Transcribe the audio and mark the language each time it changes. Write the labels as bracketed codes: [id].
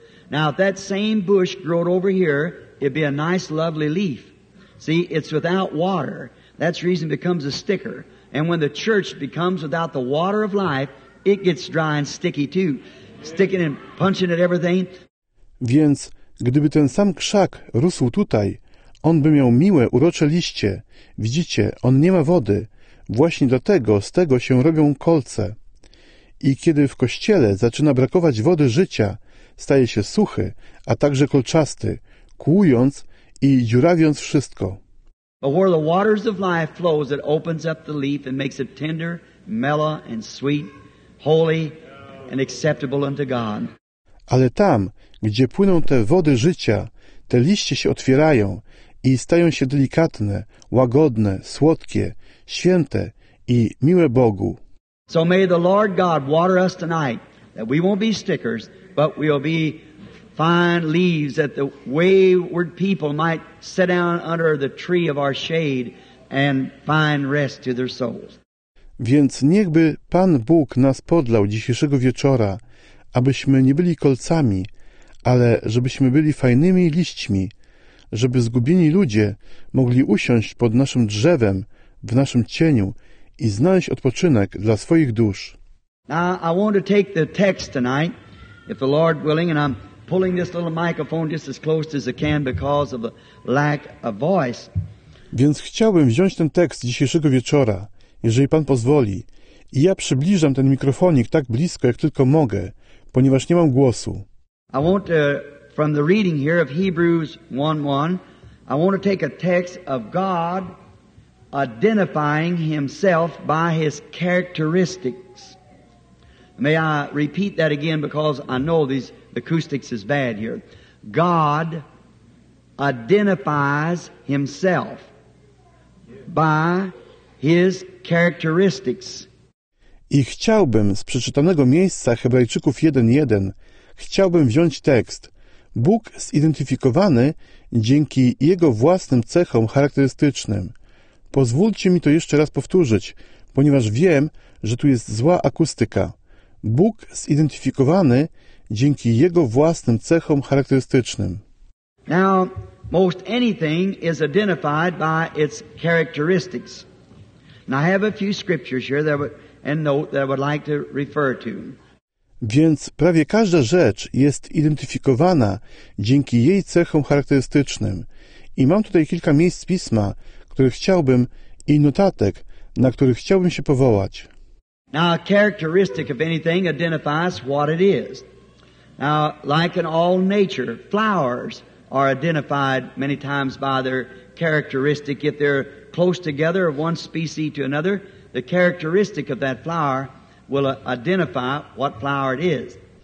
[en] Now, if that same bush grew over here, it'd be a nice, lovely leaf. See, it's without water. That's reason it becomes a sticker. And when the church becomes without the water of life, it gets dry and sticky too. Sticking and punching at everything. [pl] Więc, gdyby ten sam krzak rósł tutaj, on by miał miłe, urocze liście. Widzicie, on nie ma wody. Właśnie dlatego z tego się robią kolce. I kiedy w kościele zaczyna brakować wody życia, staje się suchy, a także kolczasty, kłując i dziurawiąc wszystko. [en] But where the waters of life flows, it opens up the leaf and makes it tender, mellow and sweet, holy and acceptable unto God. [pl] Ale tam, gdzie płyną te wody życia, te liście się otwierają i stają się delikatne, łagodne, słodkie, święte i miłe Bogu. [en] So may the Lord God water us tonight, that we won't be stickers, but we'll be fine leaves that the wayward people might sit down under the tree of our shade and find rest to their souls. [pl] Więc niechby Pan Bóg nas podlał dzisiejszego wieczora, abyśmy nie byli kolcami, ale żebyśmy byli fajnymi liśćmi, żeby zgubieni ludzie mogli usiąść pod naszym drzewem, w naszym cieniu i znaleźć odpoczynek dla swoich dusz. [en] Now, I want to take the text tonight, if the Lord willing, and I'm pulling this little microphone just as close as I can because of the lack of voice. [pl] Więc chciałbym wziąć ten tekst dzisiejszego wieczora, jeżeli Pan pozwoli. I ja przybliżam ten mikrofonik tak blisko, jak tylko mogę, ponieważ nie mam głosu. [en] I want to, from the reading here of Hebrews 1:1, I want to take a text of God identifying himself by his characteristics. May I repeat that again because I know these acoustics is bad here. God identifies himself by his characteristics. [pl] I chciałbym z przeczytanego miejsca Hebrajczyków 1:1 chciałbym wziąć tekst. Bóg zidentyfikowany dzięki jego własnym cechom charakterystycznym. Pozwólcie mi to jeszcze raz powtórzyć, ponieważ wiem, że tu jest zła akustyka. Bóg zidentyfikowany dzięki jego własnym cechom charakterystycznym. [en] Now, most anything is identified by its characteristics. And I have a few scriptures here that would, and note that I would like to refer to. [pl] Więc prawie każda rzecz jest identyfikowana dzięki jej cechom charakterystycznym. I mam tutaj kilka miejsc pisma, które chciałbym i notatek, na których chciałbym się powołać. [en] Now, a characteristic of anything identifies what it is. Now, like in all nature, flowers are identified many times by their characteristic. If they're close together of one species to another, the characteristic of that flower will identify what flower it is.